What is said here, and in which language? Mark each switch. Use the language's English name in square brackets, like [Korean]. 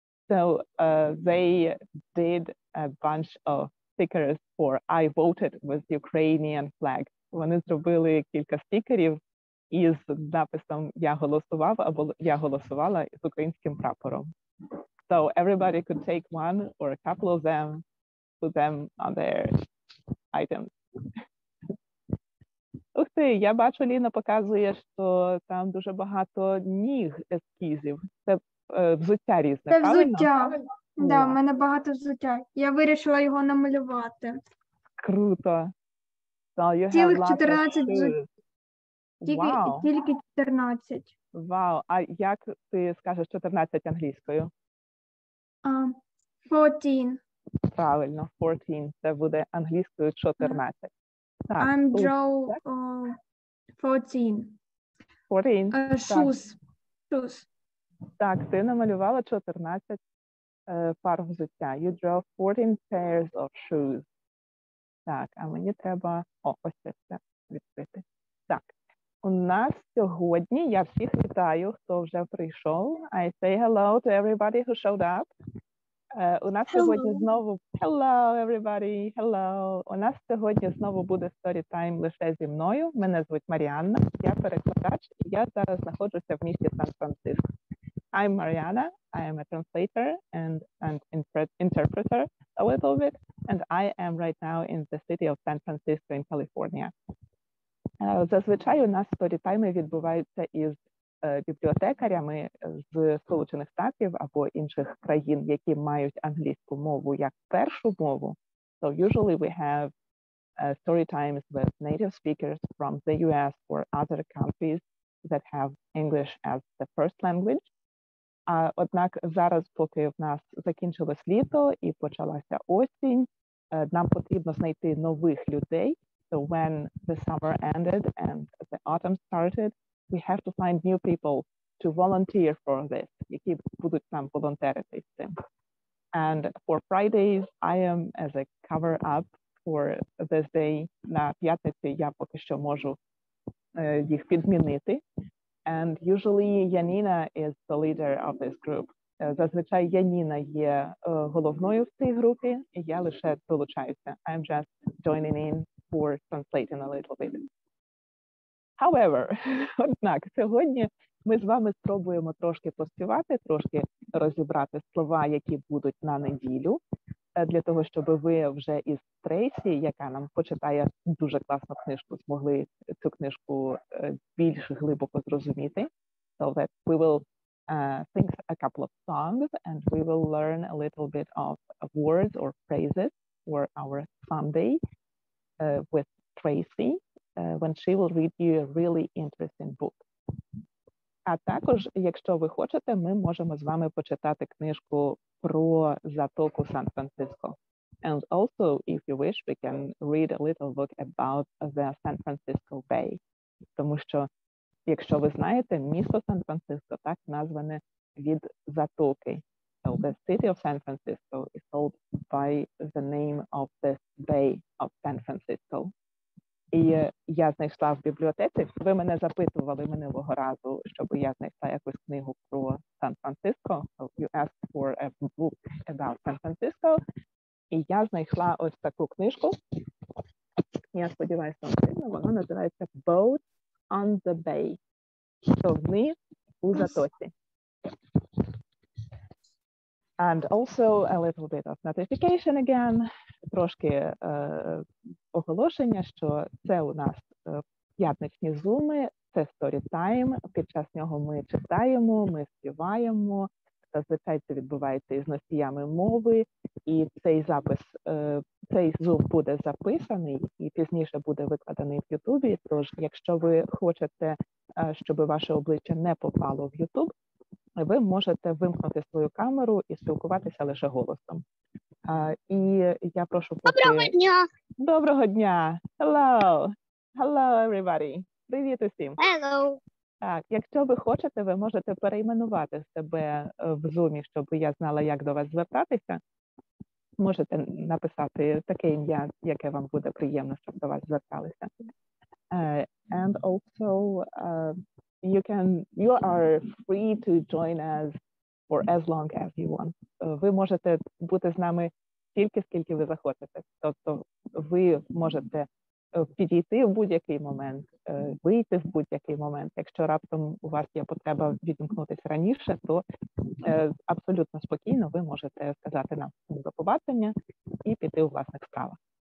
[English] So, they did a bunch of stickers for I voted with Ukrainian flag [Ukrainian] вони зробили кілька стікерів із написом «Я голосував» або «Я голосувала» з українським прапором. [English] So everybody could take one or a couple of them, put them on their items. [Ukrainian] Ух ти, я бачу, Ліна показує, що там дуже багато ніг ескізів. Це взуття різне, правильно? Це взуття. Да, у мене багато взуття. Я вирішила його намалювати. Круто. [English] So you have [Ukrainian] цілих 14 взуття. Тільки 14. Вау, а як ти скажеш 14 англійською? 14. Правильно, 14. Це буде англійською 14. [English] Так. I'm draw 14. Shoes. [Ukrainian] Так, ти намалювала 14 пар взуття. [English] You draw 14 pairs of shoes. [Ukrainian] Так, а мені треба... О, ось це відкрити. Так, у нас сьогодні, я всіх вітаю, хто вже прийшов. [English] I say hello to everybody who showed up. [Ukrainian] У нас [English] hello. [Ukrainian] Сьогодні знову... [English] Hello, everybody, hello. [Ukrainian] У нас сьогодні знову буде story time лише зі мною. Мене звуть Маріанна, я перекладач. Я зараз знаходжуся в місті Сан-Франциско. [English] I'm Mariana, I am a translator and an interpreter a little bit, and I am right now in the city of San Francisco in California. [Ukrainian] Зазвичай у нас сторітайми відбуваються із бібліотекарями з Сполучених Штатів або інших країн, які мають англійську мову як першу мову. [English] So usually we have story times with native speakers from the US or other countries that have English as the first language. [Ukrainian] Однак зараз, поки в нас закінчилось літо і почалася осінь, нам потрібно знайти нових людей. [English] So when the summer ended and the autumn started, we have to find new people to volunteer for this, [Ukrainian] які будуть там волонтерити з цим. [English] And for Fridays, I am as a cover-up for this day. [Ukrainian] На п'ятниці я поки що можу їх підмінити. [English] And usually Janina is the leader of this group. [Ukrainian] Зазвичай Janina є головною в цій групі, і я лише долучаюся. [English] I'm just joining in for translating a little bit. [Ukrainian] However, однак, сьогодні ми з вами спробуємо трошки поспівати, трошки розібрати слова, які будуть на неділю, для того, щоб ви вже із Трейсі, яка нам почитає дуже класну книжку, змогли цю книжку більш глибоко зрозуміти. [English] So that we will sing a couple of songs and we will learn a little bit of words or phrases for our Sunday with Трейсі, when she will read you a really interesting book. [Ukrainian] А також, якщо ви хочете, ми можемо з вами почитати книжку про затоку Сан-Франциско. [English] And also, if you wish, we can read a little book about the San Francisco Bay. [Ukrainian] Тому що, якщо ви знаєте, місто Сан-Франциско так назване від затоки. [English] So the city of San Francisco is called by the name of the Bay of San Francisco. [Ukrainian] І я знайшла в бібліотеці, ви мене запитували минулого разу, щоб я знайшла якусь книгу про Сан-Франциско. [English] So you asked for a book about San Francisco. [Ukrainian] І я знайшла ось таку книжку. Я сподіваюся, що вона називається Boat on the Bay. Човни у затоці. [English] And also a little bit of notification again. [Ukrainian] Трошки оголошення, що це у нас п'ятничні зуми, це story time. Під час нього ми читаємо, ми співаємо. Зазвичай це відбувається із носіями мови. І цей запис, цей зум буде записаний і пізніше буде викладений в Ютубі. Тож, якщо ви хочете, щоб ваше обличчя не попало в Ютуб, ви можете вимкнути свою камеру і спілкуватися лише голосом. І я прошу поки... Доброго дня! Доброго дня! [English] Hello! Hello, everybody! [Ukrainian] Привіт усім! [English] Hello! [Ukrainian] Так, якщо ви хочете, ви можете перейменувати себе в Zoom, щоб я знала, як до вас звертатися. Можете написати таке ім'я, яке вам буде приємно, щоб до вас зверталися. [English] And also... You are free to join us for as long as you want. [Ukrainian] Ви можете бути з нами стільки, скільки ви захочете. Тобто ви можете підійти в будь-який момент, вийти в будь-який момент. Якщо раптом у вас є потреба відімкнутися раніше, то абсолютно спокійно ви можете сказати нам до побачення і піти у власних справах.